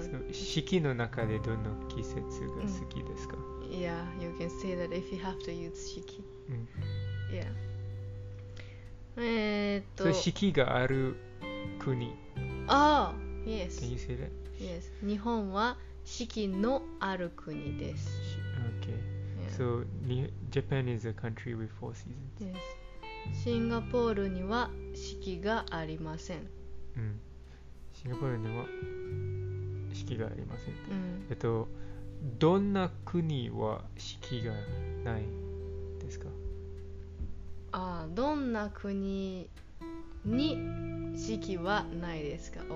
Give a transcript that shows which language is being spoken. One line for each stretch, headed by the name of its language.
Japanese: So 四季の中でどの季節が好きですか？
English: Yeah, you can say that if you have to use 四季。 Yeah.
Japanese: So 四季がある国。
English: Oh. Yes. Can you say that? Yes.
Japanese: 日本は四季のある国です。
English: Okay. Yeah. So, Japan is a country with four seasons. Yes.
Japanese: シンガポールには四季がありません。うん。シンガポールには四季がありません。うん。どんな国は四季がないですか？ああ、どんな国に四季はないですか？